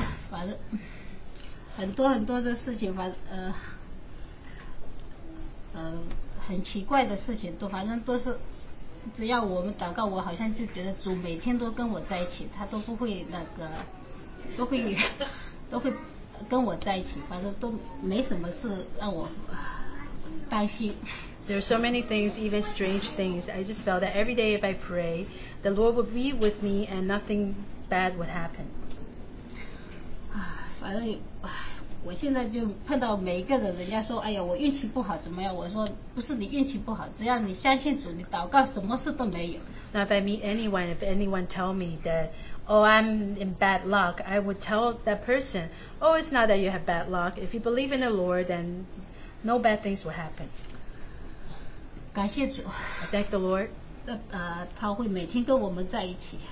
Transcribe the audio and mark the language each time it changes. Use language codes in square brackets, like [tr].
[zh] 反正很多很多的事情，很奇怪的事情都，反正都是，只要我们祷告，我好像就觉得主每天都跟我在一起，他都不会那个，都会跟我在一起，反正都没什么事让我担心。 [en] There are so many things, even strange things. I just felt that every day if I pray, the Lord would be with me and nothing bad would happen. [zh] 反正，我现在就碰到每一个人，人家说，哎呀，我运气不好，怎么样？我说，不是你运气不好，只要你相信主，你祷告，什么事都没有。 [en] Now if I meet anyone, if anyone tell me that, oh, I'm in bad luck, I would tell that person, oh, it's not that you have bad luck. If you believe in the Lord, then no bad things will happen. [zh] 感谢主。 [en] I thank the Lord. [zh] 他会每天跟我们在一起。